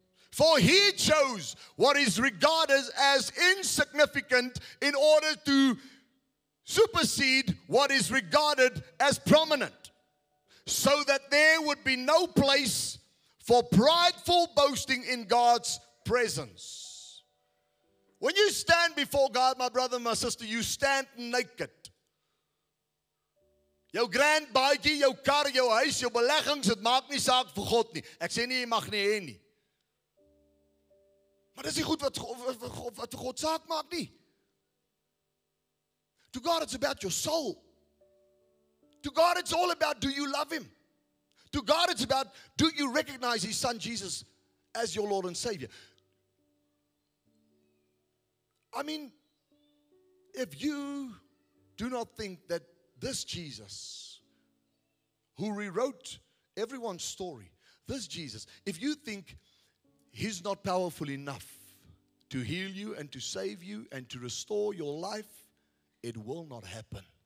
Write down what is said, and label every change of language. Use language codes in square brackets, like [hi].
[en] For he chose what is regarded as insignificant in order to supersede what is regarded as prominent, so that there would be no place for prideful boasting in God's presence. When you stand before God, my brother and my sister, you stand naked. [af] Jou grand baadjie, jou kar, jou huis, jou beleggings, dit maak nie saak vir God nie. Ek sê nie, jy mag nie hê nie. Maar dis nie goed wat vir God saak maak nie. [en] To God, it's about your soul. To God, it's all about, do you love him? To God, it's about, do you recognize his son Jesus as your Lord and Savior? I mean, if you do not think that this Jesus, who rewrote everyone's story, this Jesus, if you think he's not powerful enough to heal you and to save you and to restore your life, it will not happen.